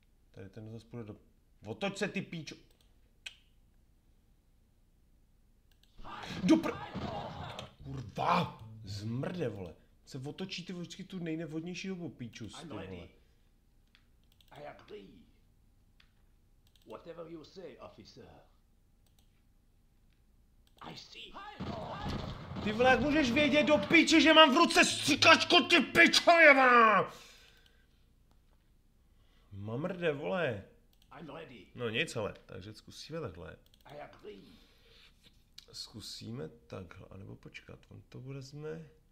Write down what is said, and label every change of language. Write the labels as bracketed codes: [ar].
[cs] Tady ten zase půjde do... Otoč se, ty píčo! Dupr... Kurva! Zmrde, vole. Se otočí ty vždycky tu nejnevhodnější dobu, píču s tím, vole. [en] I agree. Whatever you say, officer. I see. [cs] Ty vole, jak můžeš vědět do píče, že mám v ruce stříkačku, ty pičo jeva! Mamrde, vole. [en] I'm ready. [cs] No nic, ale, takže zkusíme takhle. [en] I agree. [cs] Zkusíme takhle, anebo počkat, on to vezme.